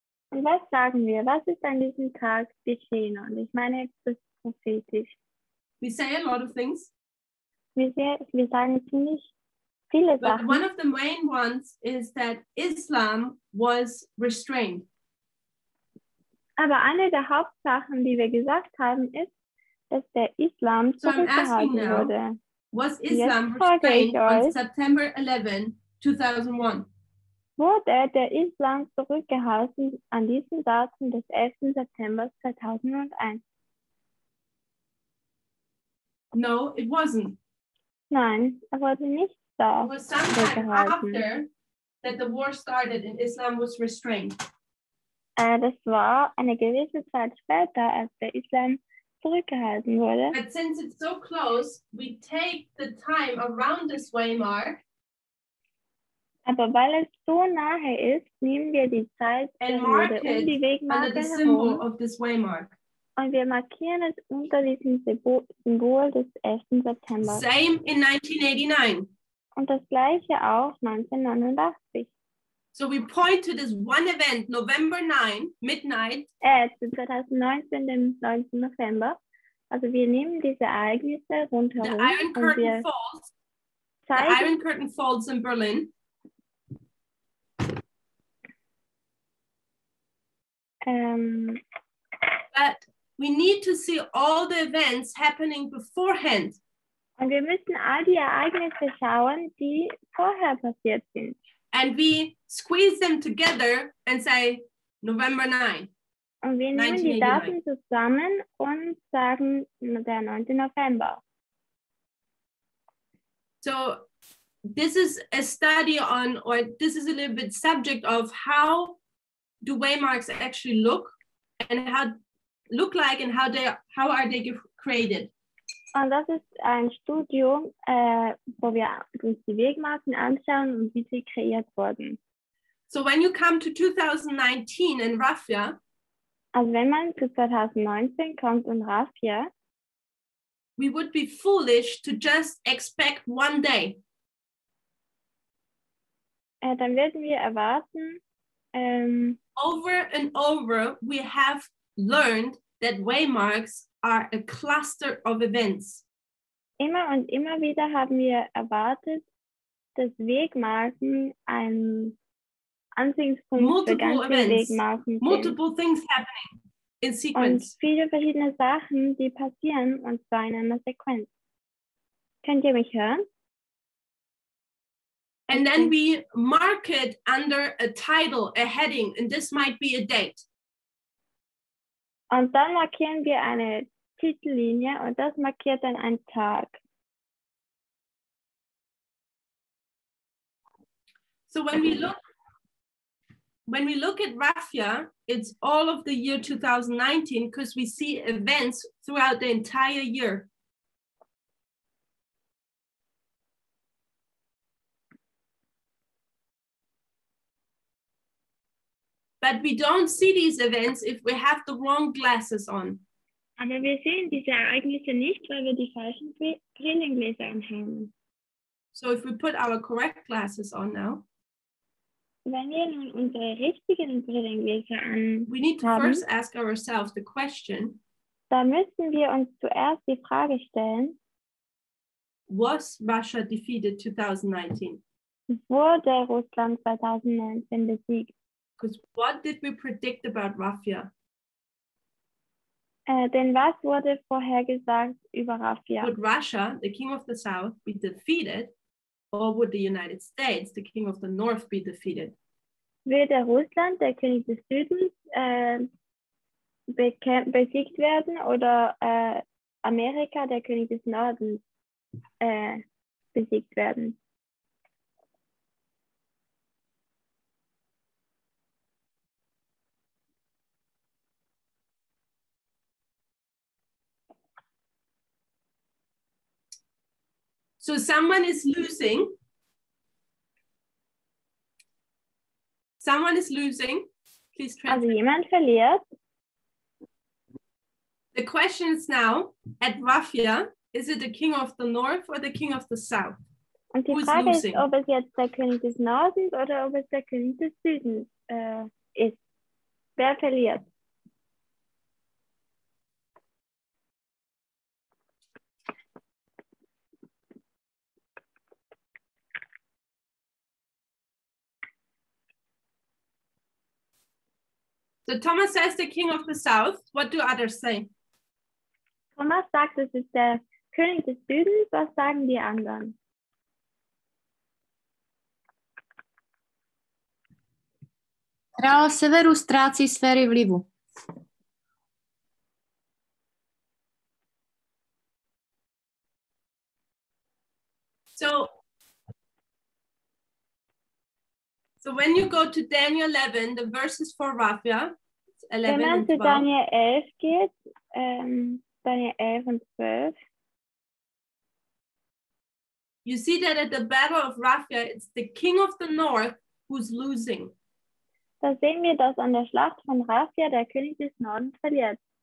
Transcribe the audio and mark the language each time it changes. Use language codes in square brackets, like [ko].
[de] Und was sagen wir? Was ist an diesem Tag geschehen? Und ich meine, das ist prophetisch. [en] We say a lot of things. [de] Wir sagen ziemlich viele Sachen. [en] But one of the main ones is that Islam was restrained. [de] Aber eine der Hauptsachen, die wir gesagt haben, ist, dass der Islam zurückgehalten wurde. [en] Was Islam restrained on September 11, 2001? [de] Wurde der Islam zurückgehalten an diesem Datum des 11. September 2001? [en] No, it wasn't. [de] Nein, er wurde nicht da zurückgehalten. [en] It was sometime after that the war started and Islam was restrained. [de] Das war eine gewisse Zeit später, als der Islam zurückgehalten wurde. [en] But since it's so close, we take the time around this waymark. [de] Aber weil es so nahe ist, nehmen wir die Zeit um die Wegmarke herum. [en] Under the symbol of this waymark. [de] Und wir markieren es unter diesem Symbol des 11. September. [en] Same in 1989. [de] Und das gleiche auch 1989. [en] So we point to this one event, November 9, midnight. [de] Es ist 2019, dem 9. November. Also wir nehmen diese Ereignisse rundherum. [en] The Iron Curtain falls. The Iron Curtain falls in Berlin. But we need to see all the events happening beforehand. [de] Und wir müssen all die Ereignisse schauen, die vorher passiert sind. [en] And we squeeze them together and say November 9. [de] Und wir nehmen die Daten zusammen und sagen der 9. November. [en] So this is a study on, or this is a little bit subject of how do waymarks actually look and how look like and how are they created. [de] Und das ist ein Studium, wo wir uns die Wegmarken anschauen und wie sie kreiert wurden. [en] So when you come to 2019 in Raffia, [de] also wenn man zu 2019 kommt in Raffia, [en] we would be foolish to just expect one day. [de] Dann werden wir erwarten, [en] over and over we have learned that waymarks are a cluster of events. [de] Immer und immer wieder haben wir erwartet, dass Wegmarken ein Anziehungspunkt [en] multiple [de] für ganze [en] events, [de] Wegmarken sind. [en] Multiple things happening in sequence. [de] Und viele verschiedene Sachen, die passieren, und zwar in einer Sequenz. Könnt ihr mich hören? [en] And then we mark it under a title, a heading, and this might be a date. [de] Und dann markieren wir eine Titellinie und das markiert dann einen Tag. [en] So when we look at Raffia, it's all of the year 2019 because we see events throughout the entire year. But we don't see these events if we have the wrong glasses on. [de] Aber wir sehen diese Ereignisse nicht, weil wir die falschen Brillengläser anhaben. [en] So if we put our correct glasses on now. [de] Wenn wir nun unsere richtigen Brillengläser an [en] We need to [de] haben, [en] first ask ourselves the question. [de] Da müssen wir uns zuerst die Frage stellen. [en] Was Russia defeated 2019? [de] Wurde Russland 2019 besiegt? [en] Because what did we predict about Russia? [de] Denn was wurde vorhergesagt über Russia? [en] Would Russia, the king of the south, be defeated? Or would the United States, the king of the north, be defeated? [de] Würde Russland, der König des Südens, besiegt werden? Oder Amerika, der König des Nordens, besiegt werden? [en] So someone is losing. Someone is losing. Please translate. [de] Also jemand verliert. [en] The question is now, at Rafia, is it the king of the north or the king of the south? [de] Und die [en] Who's [de] Frage [en] losing? [de] Ist, ob es jetzt der König des Nordens oder ob es der König des Südens ist. Wer verliert? [en] So Thomas says the king of the south. What do others say? [de] Thomas sagt, das ist der König des Südens. Was sagen die anderen? [cs] Král severu ztrácí sféry vlivu. [en] So when you go to Daniel 11, the verses for Rafia, 11 [de] Wenn man [en] and 12. [de] Zu Daniel 11 geht, Daniel 11 und 12. [en] You see that at the battle of Rafia, it's the king of the north who's losing. [de] Da sehen wir, dass an der Schlacht von Rafia der König des Nordens verliert.